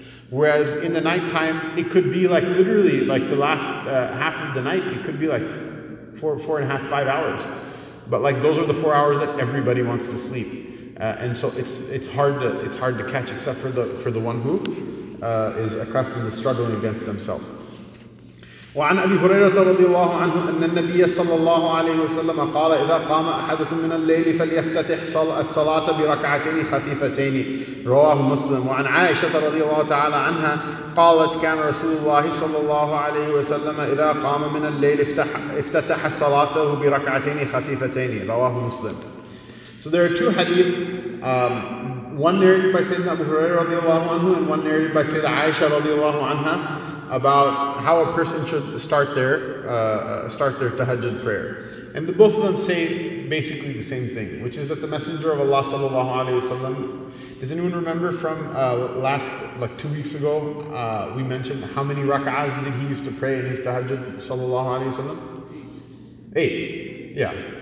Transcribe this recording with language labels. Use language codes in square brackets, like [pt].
[en] Whereas in the nighttime, it could be like literally like the last half of the night, it could be like four and a half, five hours. But like those are the 4 hours that everybody wants to sleep. And so it's hard to catch, except for the one who is accustomed to struggling against themselves. [ar] وعن أبي هريرة رضي الله عنه أن النبي صلى الله عليه وسلم قال إذا قام أحدكم من الليل فليفتتح الصلاة بركعتين خفيفتين رواه مسلم. وعن عائشة رضي الله تعالى عنها قالت كان رسول الله صلى الله عليه وسلم إذا قام من الليل افتتح صلاته بركعتين خفيفتين رواه مسلم. [en] So there are two hadith, one narrated by Sayyidina Abu Hurairah رضي الله عنه and one narrated by Sayyidina Aisha رضي الله عنها, about how a person should start their tahajjud prayer. And the both of them say basically the same thing, which is that the Messenger of Allah sallallahu alaihi wasallam, does anyone remember from last, like 2 weeks ago, we mentioned how many rak'ahs did he used to pray in his tahajjud sallallahu alaihi wasallam? Eight. Yeah.